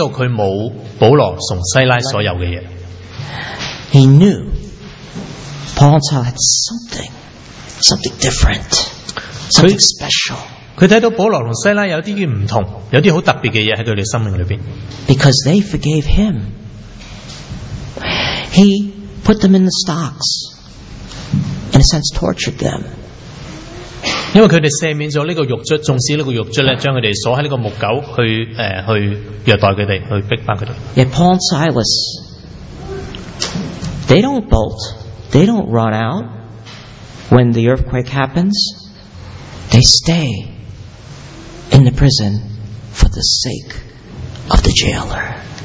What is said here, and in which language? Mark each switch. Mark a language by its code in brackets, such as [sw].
[zh] 这个腓立比的狱卒，他知道他没有保罗和西拉所有的东西。 [en] He knew Paul and Silas had something different, something special. [zh] 他看到保罗和西拉有些不同，有些很特别的东西在他们的生命里面。 [en] Because they forgave him. He put them in the stocks, in a sense, tortured them. [zh] 因为他们赦免了这个狱卒，纵使这个狱卒将他们锁在木狗去虐待他们，去逼迫他们。 [en] Yet Paul and Silas, they don't bolt, they don't run out when the earthquake happens. They stay in the prison for the sake of the jailer.